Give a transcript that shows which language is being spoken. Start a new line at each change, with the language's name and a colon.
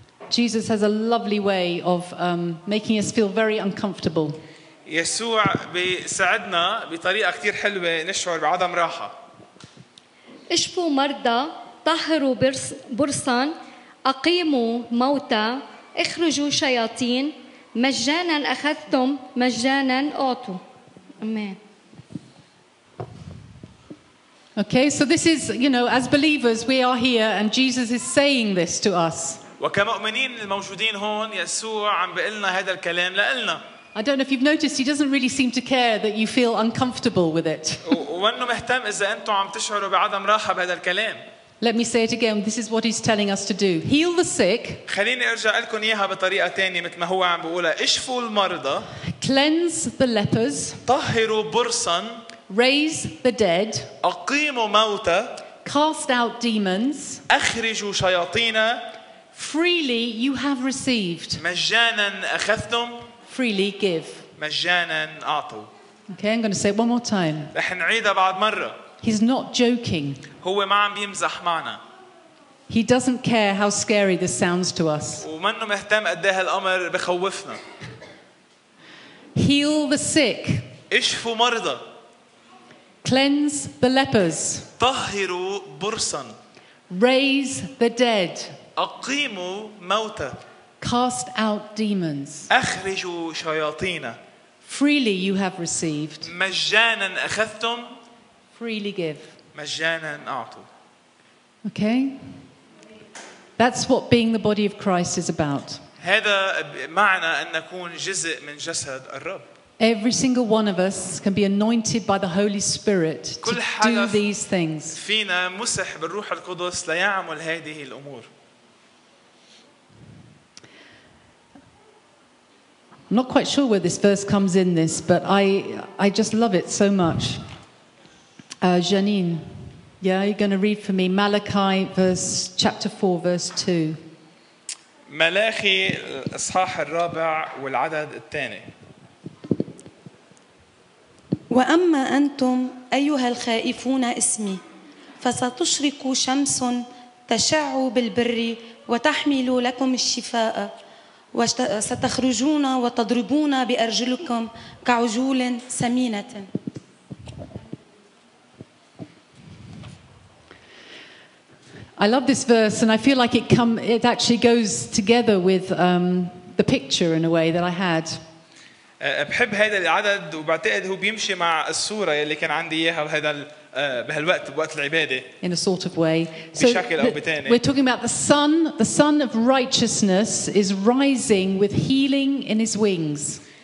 English: Jesus has a lovely way of making us feel very uncomfortable.
Arabic: يسوع بيساعدنا بطريقة كتير حلوة نشعر بعدم راحة. اشفوا مرضى، طهروا برصان، أقيموا موتى، اخرجوا شياطين، مجانا أخذتم، مجانا أعطوا. آمين.
English: Okay, so this is, you know, as believers, we are here and Jesus is saying this to us.
Arabic: وكمؤمنين الموجودين هون يسوع عم بيقلنا هذا الكلام لقلنا.
English: I don't know if you've noticed, he doesn't really seem to care that you feel uncomfortable with it.
Arabic: وانه مهتم اذا انتم عم تشعروا بعدم راحه بهذا الكلام.
English: Let me say it again, this is what he's telling us to do. Heal the sick.
Arabic: خليني ارجع لكم اياها بطريقه ثانيه مثل ما هو عم بيقولها. اشفوا المرضى.
English: Cleanse the lepers.
Arabic: طهروا برصن.
English: Raise the dead.
Arabic: اقيموا موتى.
English: Cast out demons.
Arabic: اخرجوا شياطين.
English: Freely you have received.
Arabic: مجانا اخذتم.
English: Freely give.
Arabic: مجانا اعطوا.
English: Okay, I'm going to say it one more time.
Arabic: رح نعيدها بعد مرة.
English: He's not joking.
Arabic: هو ما عم بيمزح معنا.
English: He doesn't care how scary this sounds to us.
Arabic: ومنه مهتم قد ايه الامر بخوفنا.
English: Heal the sick.
Arabic: اشفوا مرضى.
English: Cleanse the lepers.
Arabic: طهروا برصن.
English: Raise the dead.
Arabic: اقيموا موتى.
English: Cast out demons.
Arabic: اخرجوا شياطين.
English: Freely you have received.
Arabic: مجانا اخذتم.
English: Freely give.
Arabic: مجانا اعطوا.
English: Okay. That's what being the body of Christ is about.
Arabic: هذا معنى ان نكون جزء من جسد الرب.
English: Every single one of us can be anointed by the Holy Spirit to do these things.
Arabic: فينا مسح بالروح القدس ليعمل هذه الامور.
English: I'm not quite sure where this verse comes in this, but I just love it so much. Janine, yeah, you're going to read for me Malachi verse chapter 4 verse 2.
Arabic: ملاخي الإصحاح الرابع والعدد الثاني. وأما أنتم أيها الخائفون اسمي فستشرق شمس تشع بالبر وتحمل لكم الشفاء وستخرجون وتضربون بأرجلكم كعجول سمينة.
English: I love this verse and I feel like it actually goes together with the picture in a way that I had.
Arabic: بحب هذا العدد وبعتقد هو بيمشي مع الصورة اللي كان عندي إياها بهذا بهالوقت بوقت العبادة.
English: In a sort of way.
Arabic: بشكل أو بتاني.
English: We're talking about the sun of righteousness is rising with healing in his wings.